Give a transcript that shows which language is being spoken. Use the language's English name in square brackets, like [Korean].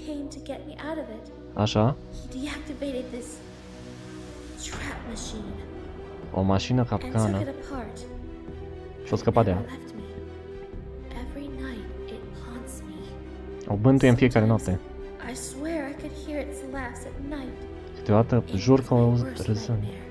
[English] to get me out of it. [Romanian] Așa. [English] He deactivated this trap machine. [Romanian] O mașină capcană. [English] And took it apart. [Romanian] Și-o scăpat de ea. [English] Every night it haunts me. [Romanian] O bântuie în fiecare noapte. [English] I swear I could hear its laughs at night. [Romanian] Câteodată jur că o auzit râzând.